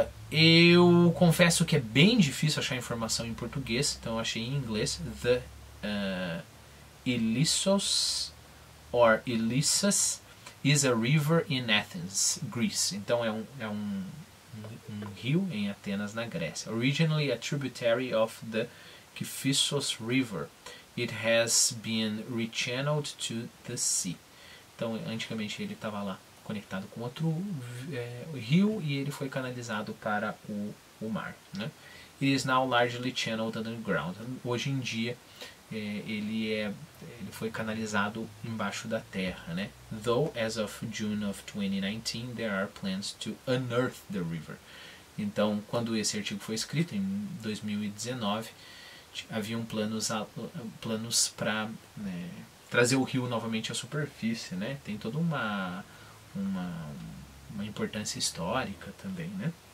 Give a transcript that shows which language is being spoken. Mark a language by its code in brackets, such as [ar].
[pt] Eu confesso que é bem difícil achar informação em português, então eu achei em inglês [en] the Ilissos or Ilissus is a river in Athens, Greece. [pt] Então é um rio em Atenas, na Grécia. [en] Originally a tributary of the Kifissos River, it has been rechanneled to the sea. [pt] Então, antigamente ele estava lá conectado com outro rio e ele foi canalizado para o mar, né? [en] It is now largely channeled underground. [pt] Hoje em dia, ele foi canalizado embaixo da terra, né? [en] Though, as of June of 2019, there are plans to unearth the river. [pt] Então, quando esse artigo foi escrito, em 2019, haviam planos para, né, trazer o rio novamente à superfície, né? Tem toda uma importância histórica também, né?